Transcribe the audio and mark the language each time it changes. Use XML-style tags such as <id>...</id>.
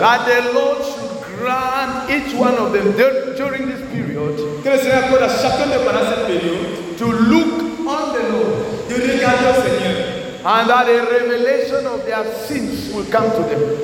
<en>That the Lord should grant each one of them during this period.</en> <fr>Que le Seigneur accorde à chacun de pendant cette période.</fr> <en>To look on the Lord.</en> <fr>De regarder au Seigneur.</fr> <en>And that a revelation of their sins will come to them.</en>